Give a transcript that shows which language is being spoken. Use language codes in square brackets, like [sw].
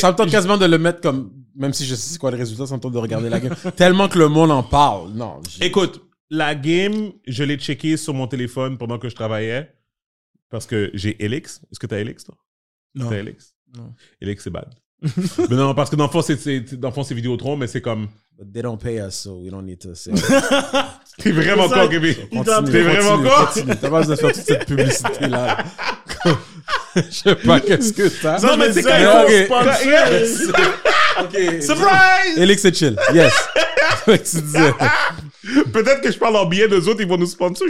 [fr] Ça me tente quasiment de le mettre comme, même si je sais c'est quoi le résultat, ça me tente de regarder la game. Tellement que le monde en parle. Non. Écoute, la game, je l'ai checké sur mon téléphone pendant que je travaillais. Parce que j'ai Elix. Est-ce que t'as Elix, toi? Non. T'as Elix? Non. Elix, c'est bad. Mais non, parce que dans le fond, c'est Vidéotron, mais c'est comme. [en] But they don't pay us, so we don't need to say. [fr] T'es vraiment con, Gaby. T'es vraiment con. T'as pas besoin de faire toute cette publicité-là. Je sais pas qu'est-ce que t'as. Non, mais c'est quand même un sponsor. Yes. Surprise! Elix est chill. Yes. Peut-être que je parle en billet d'eux autres, ils vont nous sponsor.